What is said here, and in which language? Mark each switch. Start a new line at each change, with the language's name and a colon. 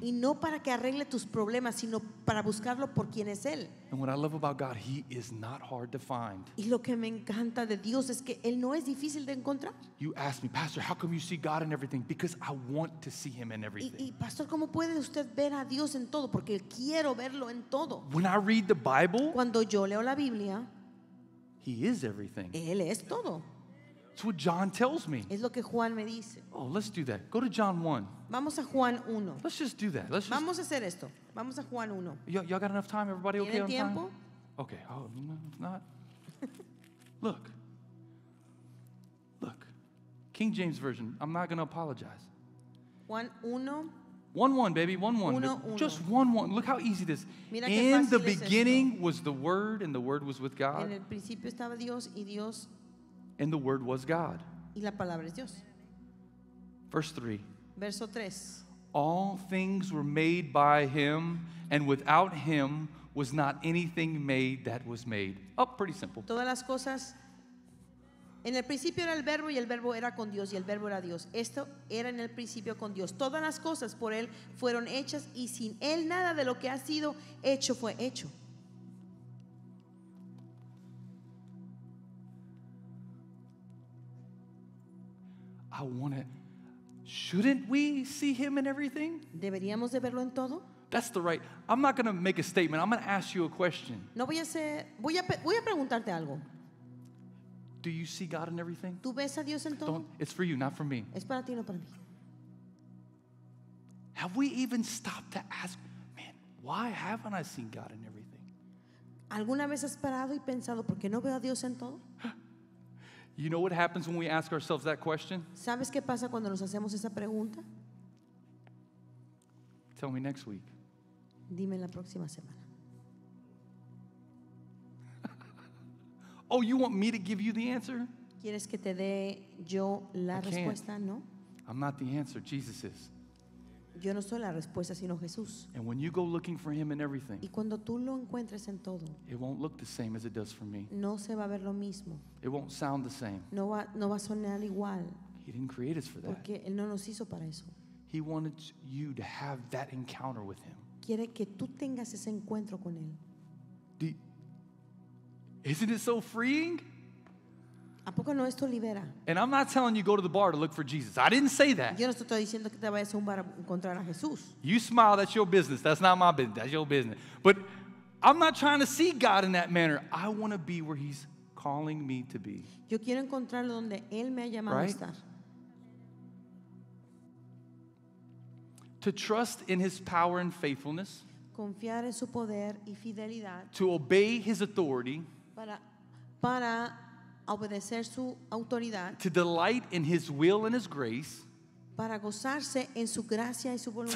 Spanish: Y no para que arregle tus problemas, sino para buscarlo por quien es él.
English: And what I love about God, he is not hard to find.
Spanish: Y lo que me encanta de Dios es que él no es difícil de encontrar.
English: You ask me, Pastor, how come you see God in everything? Because I want to see him in everything.
Spanish: Y Pastor, ¿cómo puede usted ver a Dios en todo? Porque quiero verlo en todo.
English: When I read the Bible,
Spanish: cuando yo leo la Biblia,
English: he is everything.
Spanish: Él es todo.
English: It's what John tells me.
Spanish: Es lo que Juan me dice.
English: Oh, let's do that. Go to John 1.
Spanish: Vamos a Juan 1.
English: Let's just do that. Let's just.
Spanish: Vamos a hacer esto. Vamos a Juan 1.
English: Y'all got enough time? Everybody okay on time?
Spanish: ¿Tiene tiempo?
English: Okay. Oh, no, if not. Look. King James Version. I'm not going to apologize.
Spanish: Juan 1.
English: 1-1, baby, 1-1. Just 1-1. Look how easy this is. In the beginning was the Word, and the Word was with God.
Spanish: En el principio estaba Dios, y Dios.
English: And the Word was God.
Spanish: Y la palabra es Dios.
English: Verse 3.
Spanish: Verso 3.
English: All things were made by him, and without him was not anything made that was made. Oh, pretty simple.
Spanish: Todas las cosas. En el principio era el verbo y el verbo era con Dios y el verbo era Dios. Esto era en el principio con Dios. Todas las cosas por él fueron hechas y sin él nada de lo que ha sido hecho fue hecho.
English: I want to. Shouldn't we see him in everything?
Spanish: ¿Deberíamos de verlo en todo?
English: That's the right. I'm not going to make a statement. I'm going to ask you a question.
Spanish: No voy a hacer, voy a preguntarte algo.
English: Do you see God in everything?
Spanish: ¿Tú ves a Dios en todo?
English: It's for you, not for me.
Spanish: Es para ti, no para mí.
English: Have we even stopped to ask, man, why haven't I seen God in everything?
Spanish: ¿Alguna vez has parado y pensado, por qué no veo a Dios en todo?
English: You know what happens when we ask ourselves that question?
Spanish: ¿Sabes qué pasa cuando nos hacemos esa pregunta?
English: Tell me next week.
Spanish: Dime la próxima semana.
English: Oh, you want me to give you the answer?
Spanish: ¿Quieres que te dé yo la respuesta? No.
English: I'm not the answer. Jesus is.
Spanish: Yo no soy la respuesta, sino Jesús.
English: And when you go looking for him in everything,
Spanish: y cuando tú lo encuentres en todo,
English: it won't look the same as it does for me.
Spanish: No se va a ver lo mismo.
English: It won't sound the same.
Spanish: No va a sonar igual.
English: He didn't create us for that.
Spanish: Porque él no nos hizo para eso.
English: He wanted you to have that encounter with him.
Spanish: Quiere que tú tengas ese encuentro con él.
English: Isn't it so freeing?
Spanish: ¿A poco no esto libera?
English: And I'm not telling you go to the bar to look for Jesus. I didn't say that.
Spanish: Yo no estoy diciendo que te vayas a un bar a encontrar a Jesús.
English: You smile, that's your business. That's not my business. That's your business. But I'm not trying to see God in that manner. I want to be where he's calling me to be.
Spanish: Yo quiero encontrarlo donde él me ha llamado a estar.
English: To trust in his power and faithfulness.
Spanish: Confiar en su poder y fidelidad.
English: To obey his authority.
Spanish: Para obedecer su autoridad,
English: to delight in his will and his grace,
Spanish: para gozarse en su gracia y su voluntad,